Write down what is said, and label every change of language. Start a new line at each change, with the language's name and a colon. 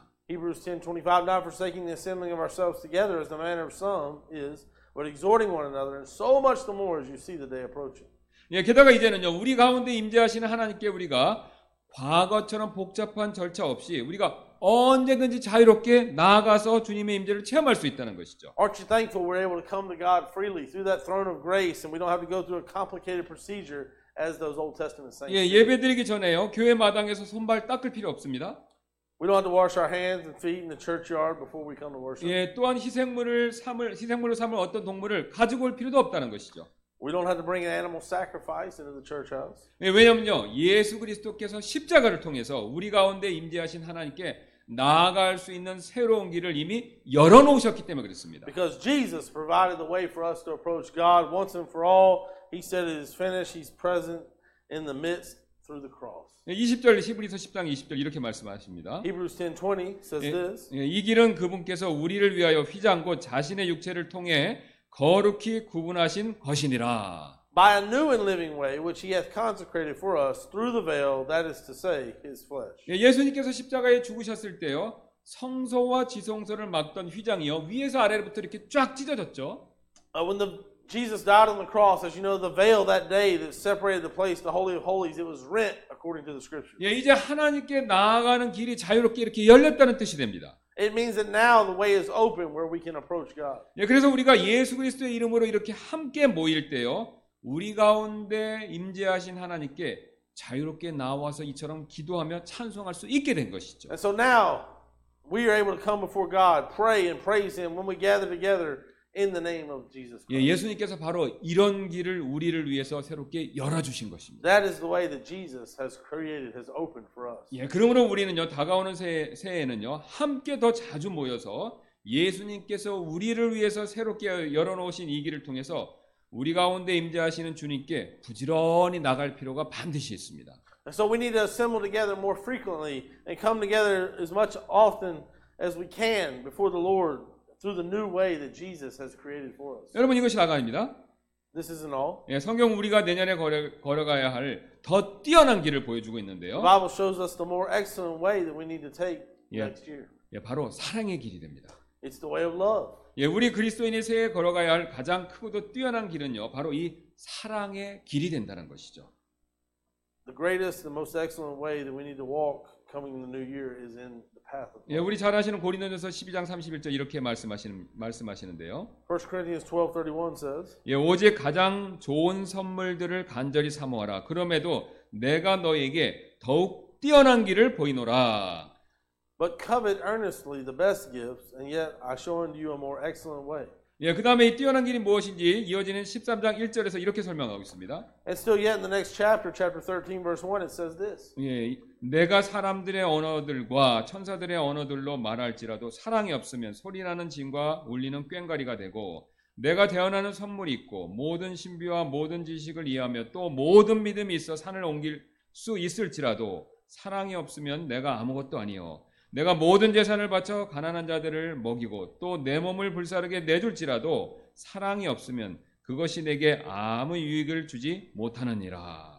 English: Hebrews 10:25 Not forsaking the assembling of ourselves together as the manner of some is, but exhorting one another and so much the more as you see the day approaching.
Korean: 예, 게다가 이제는요, 우리 가운데 임재하시는 하나님께 우리가 과거처럼 복잡한 절차 없이 우리가 언제든지 자유롭게 나아가서 주님의 임재를 체험할 수 있다는 것이죠.
English: Aren't you thankful we're able to come to God freely through that throne of grace and we don't have to go through a complicated procedure as those Old Testament saints?
Korean: 예, 예배 드리기 전에요, 교회 마당에서 손발 닦을 필요 없습니다.
English: We don't have to wash our hands and feet in the churchyard before we come to worship.
Korean: 예, 또한 희생물로 삼을 어떤 동물을 가지고 올 필요도 없다는 것이죠.
English: We don't have to bring an animal sacrifice into the church house.
Korean: 예, 왜냐면요, 예수 그리스도께서 십자가를 통해서 우리 가운데 임재하신 하나님께 나아갈 수 있는 새로운 길을 이미 열어놓으셨기 때문에 그렇습니다.
English: Because Jesus provided the way for us to approach God once and for all. He said it is finished. He's present in the midst through the cross.
Korean: 예, 20절, 히브리서 10장 20절 이렇게 말씀하십니다.
English: Hebrews 10:20 says this.
Korean: 예, 이 길은 그분께서 우리를 위하여 휘장고 자신의 육체를 통해 거룩히 구분하신 것이니라.
English: By a new and living way which he hath consecrated for us through the veil, that is to say, his flesh.
Korean: 예, 예수님께서 십자가에 죽으셨을 때요, 성소와 지성소를 막던 휘장이요 위에서 아래로부터 이렇게 쫙 찢어졌죠.
English: When Jesus died on the cross, as you know, the veil that day that separated the place, the holy of holies, it was rent according to the scripture.
Korean: 예, 이제 하나님께 나아가는 길이 자유롭게 이렇게 열렸다는 뜻이 됩니다.
English: It means that now the way is open where we can approach God.
Korean: 예, 그래서 우리가 예수 그리스도의 이름으로 이렇게 함께 모일 때요, 우리 가운데 임재하신 하나님께 자유롭게 나와서 이처럼 기도하며 찬송할 수 있게 된 것이죠.
English: And so now we are able to come before God, pray and praise Him when we gather together in the name of Jesus Christ.
Korean: 예, 예수님께서 바로 이런 길을 우리를 위해서 새롭게 열어 주신 것입니다.
English: That is the way that Jesus has created, has opened for us.
Korean: 예, 그러므로 우리는요, 다가오는 새해에는요, 함께 더 자주 모여서 예수님께서 우리를 위해서 새롭게 열어 놓으신 이 길을 통해서 우리 가운데 임재하시는 주님께 부지런히 나갈 필요가 반드시 있습니다.
English: And so we need to assemble together more frequently and come together as much often as we can before the Lord. Through the new way that Jesus has created for us.
Korean: 여러분 이것이 다가입니다.
English: This isn't all.
Korean: 예, 성경 우리가 내년에 걸어가야 할 더 뛰어난 길을 보여주고 있는데요.
English: The Bible shows us the more excellent way that we need to take next year.
Korean: 예, 바로 사랑의 길이 됩니다.
English: It's the way of love.
Korean: 예, 우리 그리스도인의 새해 걸어가야 할 가장 크고도 뛰어난 길은요, 바로 이 사랑의 길이 된다는 것이죠.
English: The greatest, the most excellent way that we need to walk coming in the new year is in.
Korean: 예, 우리 잘 아시는 고린도전서 12장 31절 이렇게 말씀하시는데요.
English: 1 Corinthians 12:31 says,
Korean: 예, 오직 가장 좋은 선물들을 간절히 사모하라. 그럼에도 내가 너에게 더욱 뛰어난 길을 보이노라.
English: But covet earnestly the best gifts, and yet I show unto you a more excellent way.
Korean: 예, 그 다음에 이 뛰어난 길이 무엇인지 이어지는 13장 1절에서 이렇게 설명하고 있습니다.
English: And still yet in the next chapter, chapter 13, verse 1, it says this.
Korean: 예, 내가 사람들의 언어들과 천사들의 언어들로 말할지라도 사랑이 없으면 소리나는 징과 울리는 꽹과리가 되고 내가 대언하는 선물이 있고 모든 신비와 모든 지식을 이해하며 또 모든 믿음이 있어 산을 옮길 수 있을지라도 사랑이 없으면 내가 아무것도 아니요 내가 모든 재산을 바쳐 가난한 자들을 먹이고 또 내 몸을 불사르게 내줄지라도 사랑이 없으면 그것이 내게 아무 유익을 주지 못하느니라.